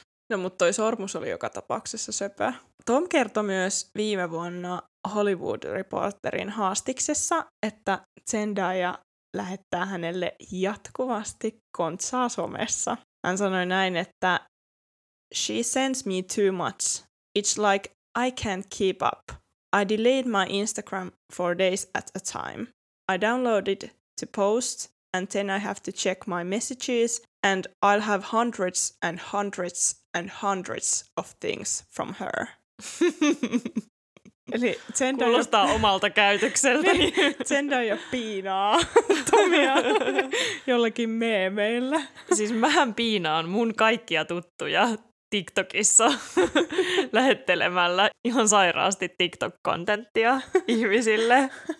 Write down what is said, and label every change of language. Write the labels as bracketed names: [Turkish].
[Finnish] No mut toi sormus oli joka tapauksessa söpö. Tom kertoi myös viime vuonna Hollywood Reporterin haastiksessa, että Zendaya lähettää hänelle jatkuvasti kontsaa somessa. Hän sanoi näin, että [English] she sends me too much. It's like I can't keep up. I deleted my Instagram for days at a time. I downloaded to post and then I have to check my messages and I'll have hundreds and hundreds and hundreds of things from her. [Finnish] Eli Zendaya kuulostaa omalta käytökseltä. Zendaya piinaa Tomia jollakin meemeillä. Siis mähän piinaan mun kaikkia tuttuja TikTokissa lähettelemällä ihan sairaasti TikTok-kontenttia ihmisille.